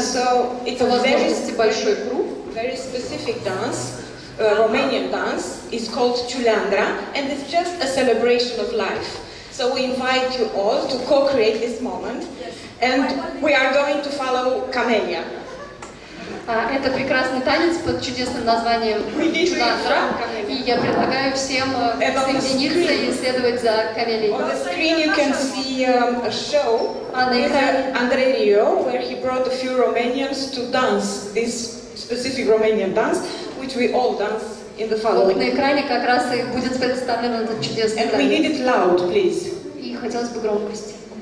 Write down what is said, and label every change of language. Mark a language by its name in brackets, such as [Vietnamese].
[English] So it's a very specific dance, Romanian dance. It's called Ciulandra, and it's just a celebration of life. So we invite you all to co-create this moment, and we are going to follow Camelia. [Russian] Это прекрасный танец под чудесным названием «Чуландра», и я предлагаю всем соединиться и следовать за Камелией. [English] On the screen you can see a show with Andrei Rio, where he brought a few Romanians to dance this specific Romanian dance, which we all dance in the following. [Russian] На экране как раз и будет представлен этот чудесный танец. [English] And we need it loud, please. [Russian] И хотелось бы громкости.